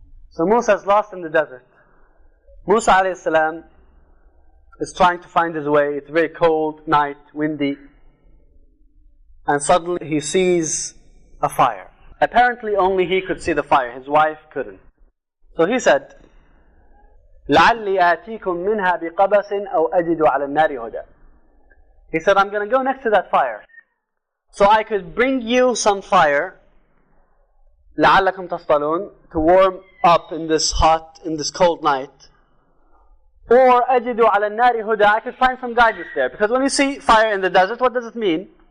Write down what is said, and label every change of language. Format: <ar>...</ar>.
<en>So Musa is lost in the desert. Musa alayhi salam is trying to find his way. It's very cold, night, windy. And suddenly he sees a fire. Apparently only he could see the fire. His wife couldn't. So he said,</en> <ar>لَعَلِّي آتِيكُم مِّنْهَا بِقَبَسٍ أَوْ أَجِدُ عَلَى النَّارِ هُدًى.</ar> <en>He said, I'm going to go next to that fire, so I could bring you some fire,</en> <ar>لَعَلَّكُمْ تَصْطَلُونَ,</ar> <en>to warm up in this hot, in this cold night. Or</en> <ar>أَجِدُ عَلَى النَّارِ هُدًى,</ar> <en>I could find some guidance there. Because when you see fire in the desert, what does it mean?</en>